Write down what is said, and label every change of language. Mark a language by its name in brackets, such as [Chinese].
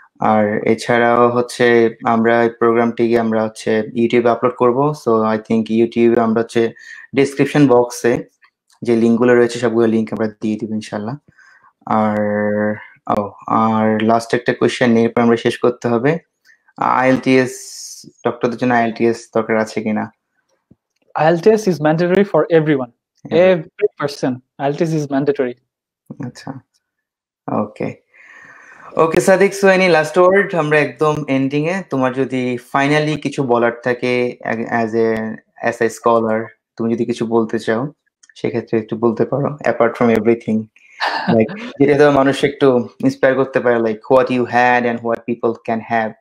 [Bangla] আর এছাড়াও হচ্ছে আমরা প্রোগ্রামটিকে আমরা হচ্ছে ইউটিউবে আপলোড করব, [English] so I think [Bangla] ইউটিউবে আমরা হচ্ছে ডিসক্রিপশন বক্সে যে লিঙ্কগুলো রয়েছে সবগুলো লিঙ্ক আমরা দিয়ে দিব ইনশাল্লাহ। আর ও আর লাস্ট একটা কোয়েশ্চেন নিয়ে এরপর আমরা শেষ করতে হবে, আইএলটিএস ডক্টরদের জন্য আইএলটিএস দরকার আছে কিনা? [English] IELTS is mandatory for everyone. Yeah. Every person. IELTS is mandatory. [Bangla] আচ্ছা, ওকে ওকে Sadiq, [English] so any last word [Bangla] আমরা একদম এন্ডিং এ, তোমার যদি ফাইনালি কিছু বলার থাকে as a as a scholar, তুমি যদি কিছু বলতে চাও সেক্ষেত্রে একটু বলতে পারো, [English] apart from everything, [Bangla] লাইক যেটা তো মানুষ একটু ইন্সপায়ার করতে পারে, [English] Like what you had and what people can have.